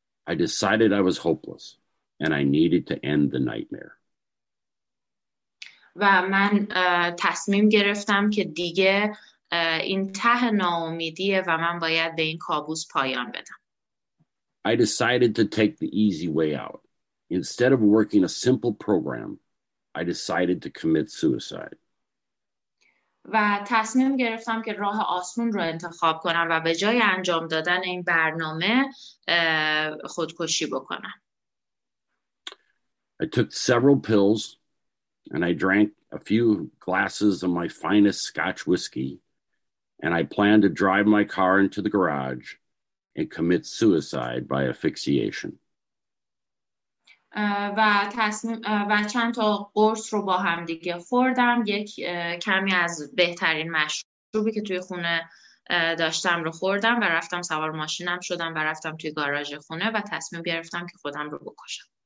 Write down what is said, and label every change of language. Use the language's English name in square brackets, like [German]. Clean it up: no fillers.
[English] I decided I was hopeless and I needed to end the nightmare. [Persian] و من تصمیم گرفتم که دیگه این ته ناامیدیه و من باید به این کابوس پایان بدم. [English] I decided to take the easy way out. Instead of working a simple program, I decided to commit suicide. [Persian] و تصمیم گرفتم که راه آسون رو انتخاب کنم و به جای انجام دادن این برنامه خودکشی بکنم. [English] I took several pills and I drank a few glasses of my finest Scotch whiskey and I planned to drive my car into the garage and commit suicide by asphyxiation. [Persian] و چند تا قرص رو با هم دیگه خوردم، یک کمی از بهترین مشروبی که توی خونه داشتم رو خوردم و رفتم سوار ماشینم شدم و رفتم توی گاراژ خونه و تصمیم گرفتم که خودم رو بکشم.